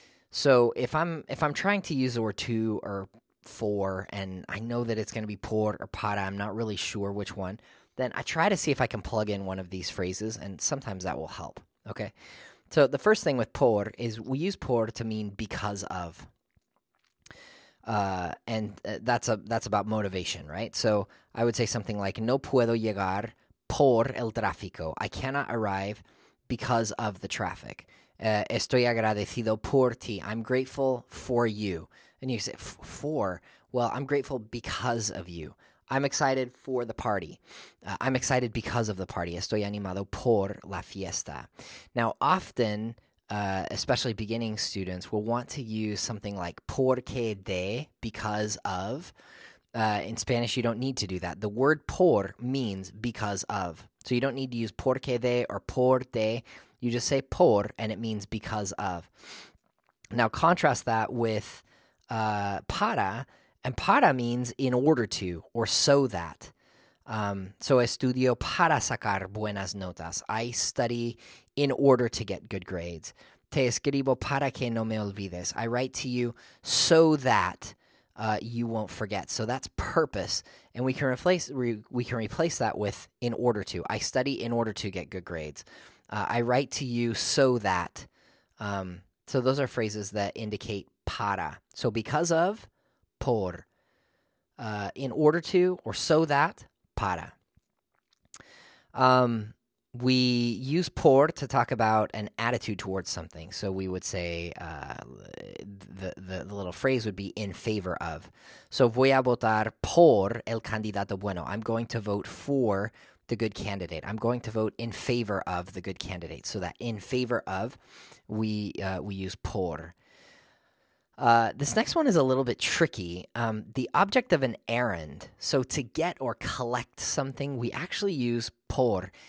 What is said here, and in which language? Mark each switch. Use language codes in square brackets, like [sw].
[en] So if I'm trying to use the word to or for, and I know that it's going to be por or para, I'm not really sure which one, then I try to see if I can plug in one of these phrases, and sometimes that will help. Okay, so the first thing with por is we use por to mean because of, and that's about motivation, right? So I would say something like [es] no puedo llegar por el tráfico. [en] I cannot arrive because of the traffic. [es] Estoy agradecido por ti. [en] I'm grateful for you. And you say, for? Well, I'm grateful because of you. I'm excited for the party. I'm excited because of the party. [es] Estoy animado por la fiesta. [en] Now, often, especially beginning students, will want to use something like porque de, because of. In Spanish, you don't need to do that. The word por means because of. So you don't need to use porque de or por de. You just say por, and it means because of. Now contrast that with para, and para means in order to or so that. So [es] estudio para sacar buenas notas. [en] I study in order to get good grades. [es] Te escribo para que no me olvides. [en] I write to you so that you won't forget. So that's purpose, and we can replace that with in order to. I study in order to get good grades. I write to you so that. So those are phrases that indicate para. So because of, por. In order to, or so that, para. We use por to talk about an attitude towards something. So we would say, the little phrase would be in favor of. So [es] voy a votar por el candidato bueno. [en] I'm going to vote for the good candidate. I'm going to vote in favor of the good candidate. So that in favor of, we use por. This next one is a little bit tricky. The object of an errand, so to get or collect something, we actually use por.